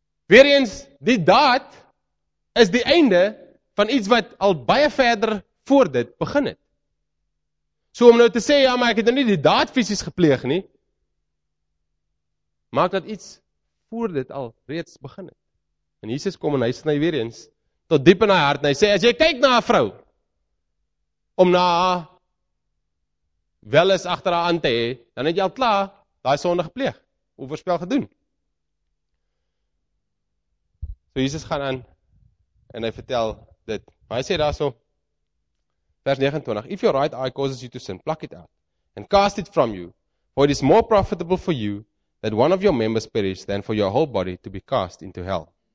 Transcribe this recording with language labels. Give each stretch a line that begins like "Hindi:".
Afrikaans: Weer eens, die daad is die einde van iets wat al baie verder voor dit begin het. So om nou te sê, ja, maar ek het nou nie die daad fisies gepleeg nie, maak dat iets voor dit al reeds begin het. En Jesus kom en hy sny weer eens, tot diep in hy hart, en hy sê, as jy kyk na 'n vrou, om na haar wel eens achter haar aan te hee, dan het jy al klaar die sonde gepleeg, oorspel gedoen. So Jesus gaan aan, en hy vertel dit, maar hy sê daar so, vers 29,
English: if your right eye causes you to sin, pluck it out, and cast it from you, for it is more profitable for you, that one of your members perish, than for your whole body to be cast into hell.